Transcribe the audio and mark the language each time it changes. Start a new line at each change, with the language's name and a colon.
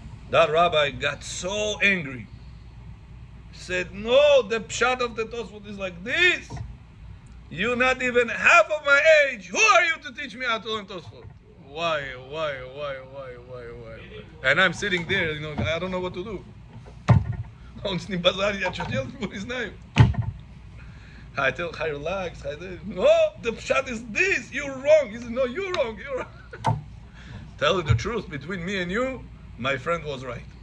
English: That rabbi got so angry. Said, no, the pshat of the Tosafot is like this. You're not even half of my age. Who are you to teach me how to learn Tosafot? Why? And I'm sitting there, you know, I don't know what to do.
Russian: Он с ним базарит, я что делать, не знаю.
English: I tell, I relax, I tell, no, the pshat is this, you're wrong. He said, no, you're wrong. Tell you the truth, between me and you, my friend was right.